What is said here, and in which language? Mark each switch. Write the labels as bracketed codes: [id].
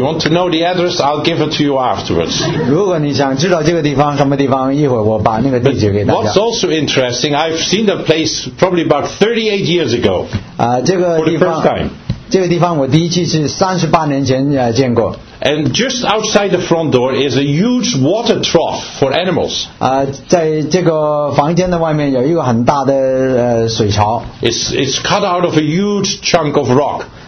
[en] If you want to know the address, I'll give it to you afterwards. [zh] 如果你想知道这个地方什么地方，一会儿我把那个地址给大家。 [en] But what's also interesting, I've seen the place probably about 38 years ago. [zh] 这个地方 [en] for the first time. [zh] 这个地方我第一次是38年前见过。 [en] And just outside the front door is a huge water trough for animals. [zh] 在这个房间的外面有一个很大的水槽。 [en] It's cut out of a huge chunk of rock.